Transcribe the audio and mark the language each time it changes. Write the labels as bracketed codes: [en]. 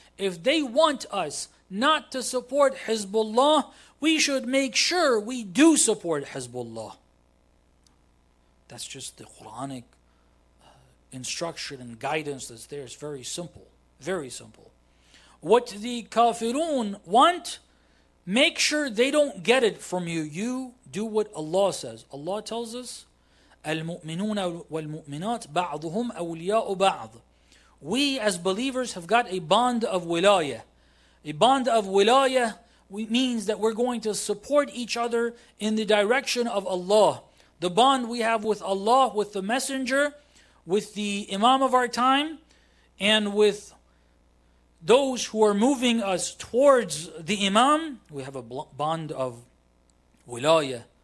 [en] If they want us not to support Hezbollah, we should make sure we do support Hezbollah. That's just the Quranic instruction and guidance that's there. It's very simple, very simple. What the kafirun want, make sure they don't get it from you. You do what Allah says. Allah tells us, [ar] المؤمنون والمؤمنات بعضهم أولياء بعض. [en] We as believers have got a bond of wilayah. A bond of wilayah means that we're going to support each other in the direction of Allah. The bond we have with Allah, with the Messenger, with the Imam of our time, and with those who are moving us towards the Imam, we have a bond of wilayah.